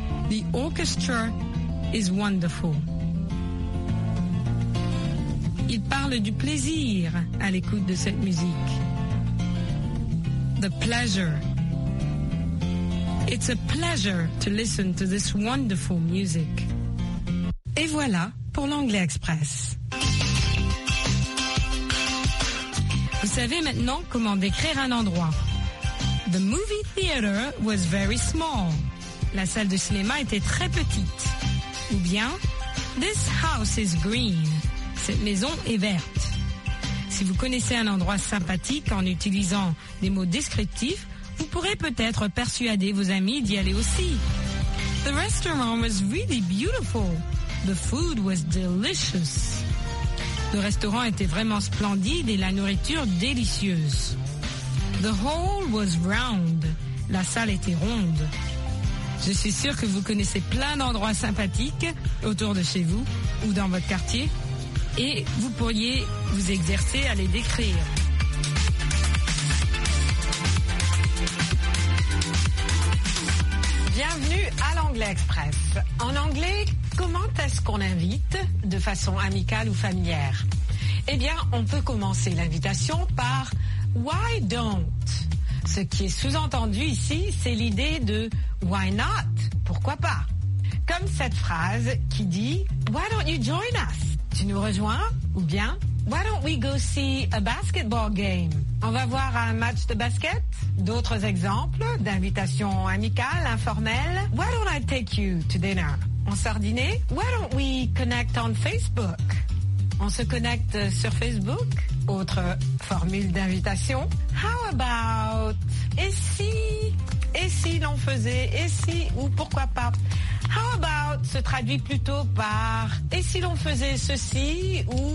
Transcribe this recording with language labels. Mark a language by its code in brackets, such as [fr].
[en] The orchestra is wonderful. [fr] Il parle du plaisir à l'écoute de cette musique, [en] the pleasure. It's a pleasure to listen to this wonderful music. [fr] Et voilà pour l'Anglais Express. Vous savez maintenant comment décrire un endroit. [en] The movie theater was very small. [fr] La salle de cinéma était très petite. Ou bien, [en] this house is green. [fr] Cette maison est verte. Si vous connaissez un endroit sympathique en utilisant des mots descriptifs, vous pourrez peut-être persuader vos amis d'y aller aussi. [en] The restaurant was really beautiful. The food was delicious. [fr] Le restaurant était vraiment splendide et la nourriture délicieuse. [en] The hall was round. [fr] La salle était ronde. Je suis sûre que vous connaissez plein d'endroits sympathiques autour de chez vous ou dans votre quartier et vous pourriez vous exercer à les décrire. Bienvenue à l'Anglais Express. En anglais, comment est-ce qu'on invite de façon amicale ou familière? Eh bien, on peut commencer l'invitation par « [en] why don't ?» [fr] Ce qui est sous-entendu ici, c'est l'idée de « [en] why not [fr] ?» Pourquoi pas? Comme cette phrase qui dit « [en] why don't you join us [fr] ?» Tu nous rejoins? Ou bien [en] « why don't we go see a basketball game ?» [fr] On va voir un match de basket. D'autres exemples d'invitations amicales, informelles. [en] Why don't I take you to dinner? [fr] On sort dîner? [en] Why don't we connect on Facebook? [fr] On se connecte sur Facebook? Autre formule d'invitation. [en] How about? [fr] Et si l'on faisait? Et si? Ou pourquoi pas? [en] How about [fr] se traduit plutôt par et si l'on faisait ceci ou